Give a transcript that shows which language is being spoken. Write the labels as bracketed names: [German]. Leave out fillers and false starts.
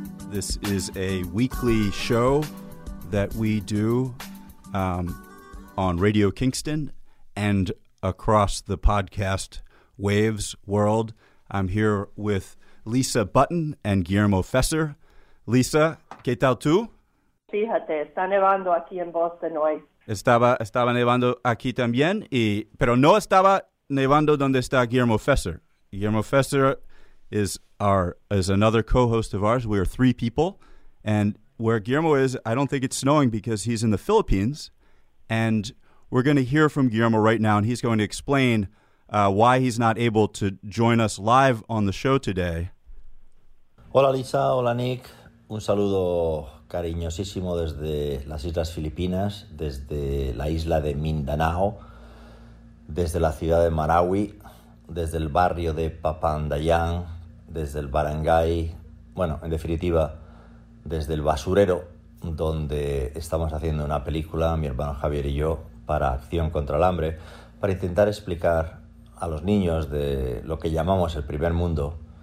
[English] This is a weekly show that we do on Radio Kingston and across the podcast waves world. I'm here with Lisa Button and Guillermo Fesser. [Spanish] Lisa, ¿qué tal tú? Fíjate, está nevando aquí en Boston hoy. Estaba nevando aquí también, pero no estaba nevando donde está Guillermo Fesser. [English] Guillermo Fesser is another co-host of ours. We are three people. And where Guillermo is, I don't think it's snowing because he's in the Philippines. And we're going to hear from Guillermo right now, and he's going to explain why he's not able to join us live on the show today. [Spanish] Hola, Lisa. Hola, Nick. Un saludo cariñosísimo desde las Islas Filipinas, desde la isla de Mindanao, desde la ciudad de Marawi, desde el barrio de Papandayan, desde el barangay, bueno, en definitiva, desde el basurero donde estamos haciendo una película, mi hermano Javier y yo, para Acción contra el Hambre, para intentar explicar a los niños de lo que llamamos el primer mundo,